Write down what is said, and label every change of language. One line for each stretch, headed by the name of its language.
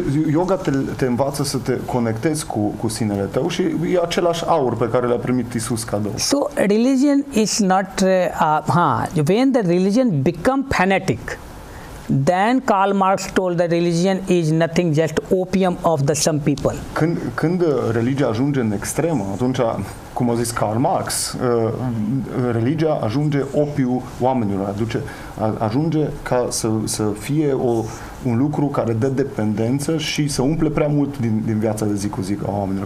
Romanian: Yoga te învață să te conectezi cu sinele tău și e același aur pe care l-a primit Iisus cadou.
English: So religion is not when the religion become fanatic, then Karl Marx told the religion is nothing just opium of the some people.
Romanian: Când religia ajunge în extremă, atunci, cum a zis Karl Marx, religia ajunge opiu oamenilor, ajunge ca să fie un lucru care dă dependență și să umple prea mult din viața de zi cu zi a oamenilor.